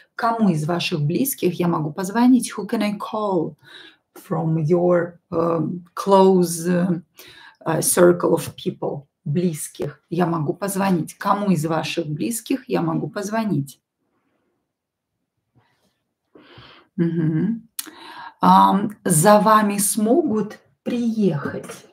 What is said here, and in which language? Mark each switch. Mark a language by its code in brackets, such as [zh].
[ru] Кому из ваших близких я могу позвонить? [en] Who can I call from your close circle of people? [ru] Близких я могу позвонить. Кому из ваших близких я могу позвонить? За вами смогут приехать.